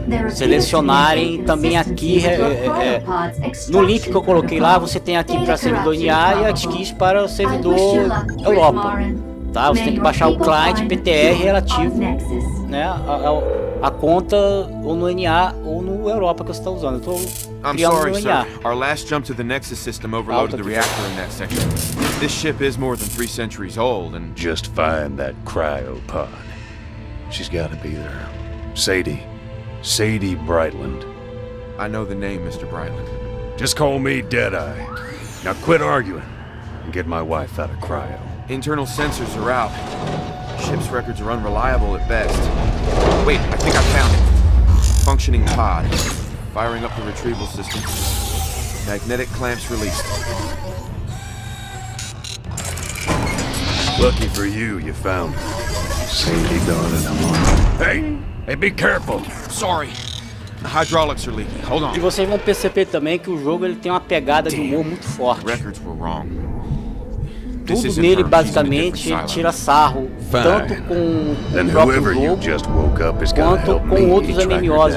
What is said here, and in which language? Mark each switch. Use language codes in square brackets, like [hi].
[pt] selecionarem também aqui no link que eu coloquei lá. Você tem aqui para servidor NA e ATKIS para o servidor Europa, tá? Você tem que baixar o client PTR relativo, né, a conta ou no NA ou no Europa que você está usando. Então, [en] I'm sorry, sir. Our last jump to the Nexus system overloaded the reactor in that section. This ship is more than 3 centuries old, and just find that cryopod. She's got to be there. Sadie. Sadie Brightland. I know the name, Mr. Brightland. Just call me Deadeye. Now quit arguing and get my wife out of cryo. Internal sensors are out. Ship's records are unreliable at best. Wait, I think I found it. Functioning pod. Firing up the retrieval system. Magnetic clamps released. Lucky for you, you found me. Sadie, darling, I'm on. Hey, be careful. Sorry. The hydraulics are leaking. Hold on. [pt] E vocês vão perceber também que o jogo ele tem uma pegada de humor muito forte. [en] The records were wrong. [pt] Tudo nele, basicamente, ele tira sarro, tanto com o próprio jogo, quanto com outros MMOs.